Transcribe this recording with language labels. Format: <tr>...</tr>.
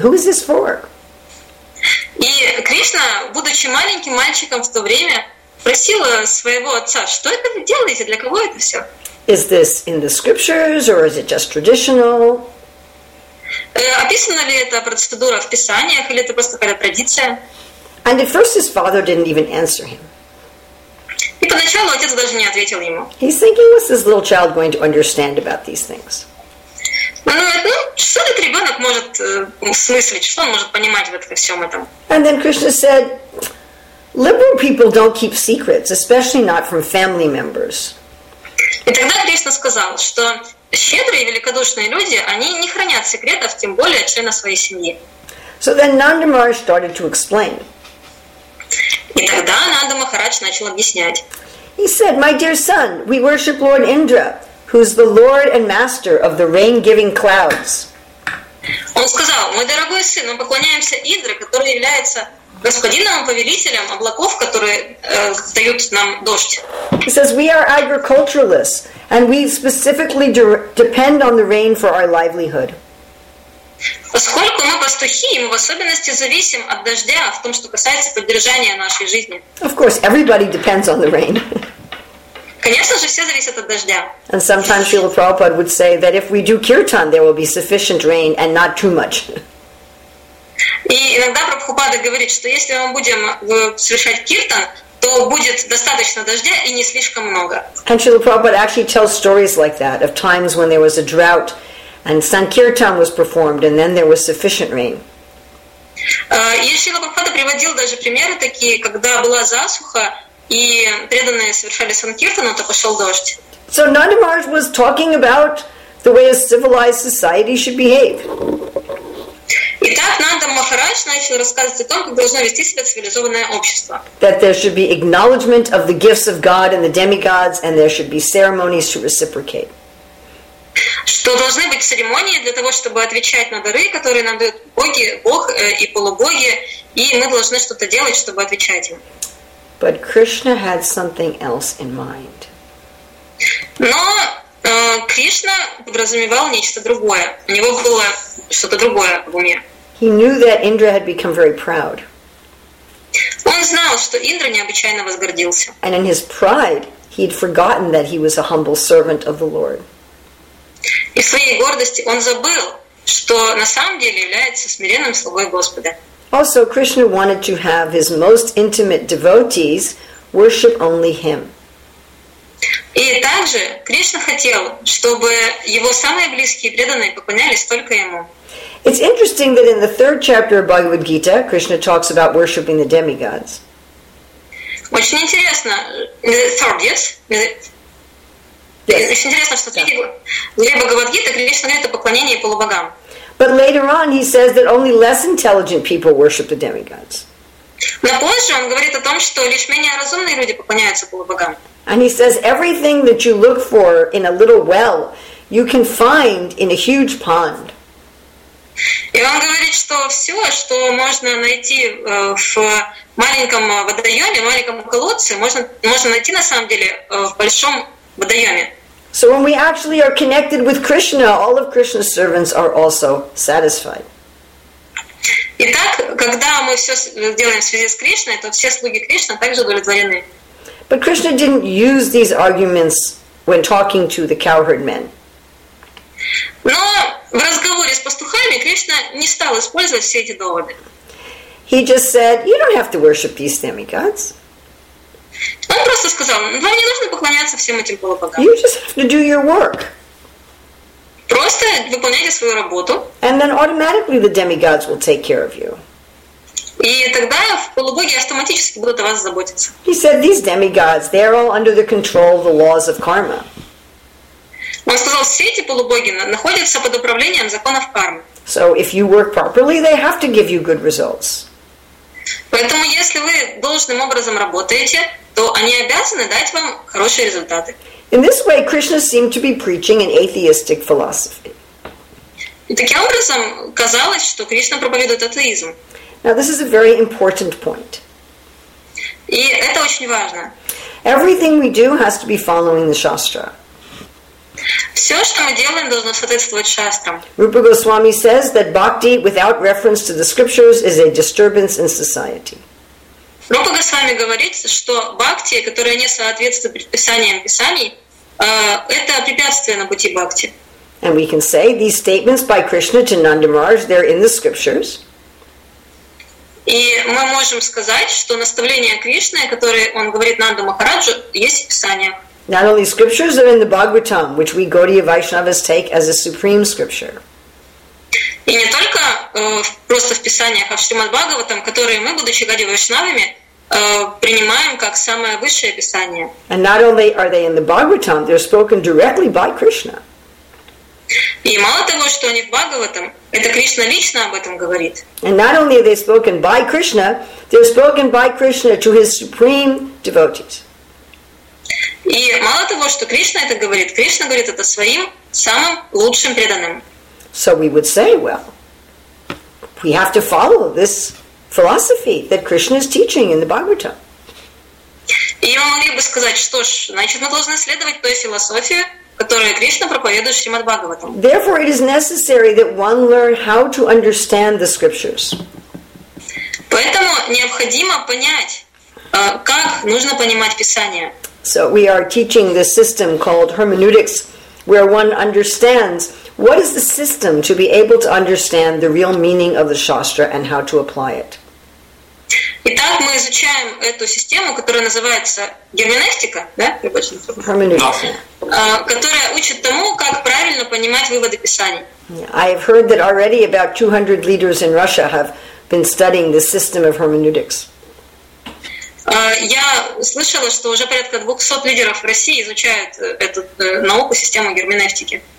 <en>Who is this for?</en> <ru>И Кришна, будучи маленьким мальчиком в то время, спросил своего отца, что это вы делаете, для кого это все?</ru> <en>Is this in the scriptures or is it just traditional?</en> <ru>Описана ли эта процедура в писаниях или это просто какая-то традиция?</ru> <en>And at first his father didn't even answer him.</en> <ru>И поначалу отец даже не ответил ему.</ru> <en>He's thinking, what's this little child going to understand about these things?</en> <ru>Ну, что этот ребенок может смыслить, что он может понимать в этом всем этом?</ru> <en>And then Krishna said, liberal people don't keep secrets, especially not from family members.</en> <ru>И тогда Кришна сказал, что щедрые и великодушные люди, они не хранят секретов, тем более члена своей семьи.</ru> <en>So then Nanda Maharaj started to explain.</en> <ru>И тогда Нанда Махарадж начал объяснять.</ru> <en>He said, my dear son, we worship Lord Indra, who's the Lord and Master of the rain-giving clouds.</en> <ru>Он сказал, мой дорогой сын, мы поклоняемся Индре, который является господином, повелителем облаков, которые дают нам дождь.</ru> <en>He says, we are agriculturalists, and we specifically depend on the rain for our livelihood.</en> <ru>Поскольку мы пастухи, мы в особенности зависим от дождя в том, что касается поддержания нашей жизни.</ru> <en>Of course, everybody depends on the rain.</en> <ru>Конечно же, все зависят от дождя.</ru> <en>And sometimes Srila Prabhupada would say that if we do kirtan, there will be sufficient rain and not too much.</en> <ru>И иногда Прабхупада говорит, что если мы будем совершать киртан, то будет достаточно дождя и не слишком много.</ru> <en>And Srila Prabhupada actually tells stories like that of times when there was a drought and Sankirtan was performed and then there was sufficient rain.</en> <ru>И Шрила Прабхупада приводил даже примеры такие, когда была засуха и преданные совершали санкиртан, то пошел дождь.</ru> <en>So Nanda Maharaj was talking about the way a civilized society should behave.</en> <ru>Итак, Нанда Махарадж начал рассказывать о том, как должно вести себя цивилизованное общество.</ru> <en>That there should be acknowledgement of the gifts of God and the demigods, and there should be ceremonies to reciprocate.</en> <ru>Что должны быть церемонии для того, чтобы отвечать на дары, которые нам дают боги, Бог и полубоги, и мы должны что-то делать, чтобы отвечать им.</ru> <en>But Krishna had something else in mind.</en> <ru>Но Кришна подразумевал нечто другое. У него было что-то другое в уме.</ru> <en>He knew that Indra had become very proud.</en> <ru>Он знал, что Индра необычайно возгордился.</ru> <en>And in his pride, he had forgotten that he was a humble servant of the Lord.</en> <ru>И в своей гордости он забыл, что на самом деле является смиренным слугой Господа.</ru> <en>Also, Krishna wanted to have his most intimate devotees worship only him.</en> <ru>И также Кришна хотел, чтобы его самые близкие преданные поклонялись только ему.</ru> <en>It's interesting that in the third chapter of Bhagavad Gita, Krishna talks about worshiping the demigods.</en> <ru>Очень интересно, что в третьей Бхагавад Гита Кришна говорит о поклонении полубогам.</ru> <en>But later on, he says that only less intelligent people worship the demigods.</en> <ru>Но позже он говорит о том, что лишь менее разумные люди поклоняются полубогам.</ru> <en>And he says everything that you look for in a little well, you can find in a huge pond.</en> <ru>И он говорит, что все, что можно найти в маленьком водоеме, в маленьком колодце, можно найти на самом деле в большом водоеме.</ru> <en>So when we actually are connected with Krishna, all of Krishna's servants are also satisfied.</en> <ru>Итак, когда мы все делаем в связи с Кришной, то все слуги Кришны также удовлетворены.</ru> <en>But Krishna didn't use these arguments when talking to the cowherd men.</en> <ru>Но в разговоре с пастухами Кришна не стал использовать все эти доводы.</ru> <en>He just said, "You don't have to worship these demigods."</en> <ru>Он просто сказал, вам не нужно поклоняться всем этим полубогам.</ru> <en>You just have to do your work.</en> <ru>Просто выполняйте свою работу.</ru> <en>And then automatically the demigods will take care of you.</en> <ru>И тогда полубоги автоматически будут о вас заботиться.</ru> <en>He said, these demigods, they're all under the control of the laws of karma.</en> <ru>Он сказал, все эти полубоги находятся под управлением законов кармы.</ru> <en>So if you work properly, they have to give you good results.</en> <ru>Поэтому если вы должным образом работаете, то они обязаны дать вам хорошие результаты.</ru> <en>In this way, Krishna seemed to be preaching an atheistic philosophy.</en> <ru>И таким образом казалось, что Кришна проповедует атеизм.</ru> <en>Now this is a very important point.</en> <ru>И это очень важно.</ru> <en>Everything we do has to be following the shastra.</en> <ru>Все, что мы делаем, должно соответствовать шастрам.</ru> <en>Rupa Goswami says that bhakti without reference to the scriptures is a disturbance in society.</en> <ru>Rupa Goswami говорит, что бхакти, которая не соответствует предписаниям писаний, это препятствие на пути бхакти.</ru> <en>And we can say these statements by Krishna to Nanda Maharaj, they're in the scriptures.</en> <ru>И мы можем сказать, что наставления Кришны, которые он говорит Нанду Махараджу, есть в Писании.</ru> <en>Not only scriptures are in the Bhagavatam, which we Gaudiya Vaishnavas take as a supreme scripture.</en> <ru>И не только просто в Писаниях, а в Шримад Бхагаватам, которые мы, будучи Гаудия Вайшнавами, принимаем как самое высшее Писание.</ru> <en>And not only are they in the Bhagavatam, they're spoken directly by Krishna.</en> <ru>И мало того, что они в Бхагаватам, это Кришна лично об этом говорит.</ru> <en>And not only are they spoken by Krishna, they're spoken by Krishna to his supreme devotees.</en> <ru>И мало того, что Кришна это говорит, Кришна говорит это своим самым лучшим преданным.</ru> <en>So we would say, well, we have to follow this philosophy that Krishna is teaching in the Bhagavatam.</en> <ru>И мы могли бы сказать, что ж, значит, мы должны следовать той философии, которые Кришна проповедует Шримад Бхагаватам.</ru> <en>Therefore, it is necessary that one learn how to understand the scriptures.</en> <ru>Поэтому необходимо понять, как нужно понимать Писание.</ru> <en>So we are teaching this system called hermeneutics, where one understands what is the system to be able to understand the real meaning of the shastra and how to apply it.</en> <ru>Итак, мы изучаем эту систему, которая называется герменевтика, да? Которая учит тому, как правильно понимать выводы Писаний.</ru> <en>I have heard that already about 200 leaders in Russia have been studying the system of hermeneutics.</en> <ru>Я слышала, что уже порядка 200 лидеров в России изучают эту науку, систему герменевтики.</ru>